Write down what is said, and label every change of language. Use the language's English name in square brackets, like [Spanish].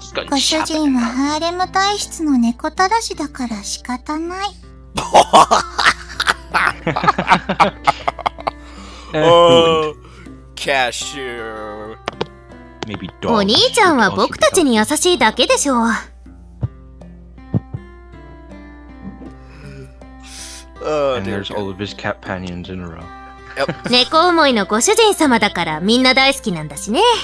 [Japanese] ご主人はハーレム体質の猫たらしだから仕方ない。 [English] Oh, cashier. Maybe dog. [Japanese] お兄ちゃんは僕たちに優しいだけでしょう。 [English] And there's all of his cat panions in a row. [Japanese] 猫思いのご主人様だからみんな大好きなんだしね。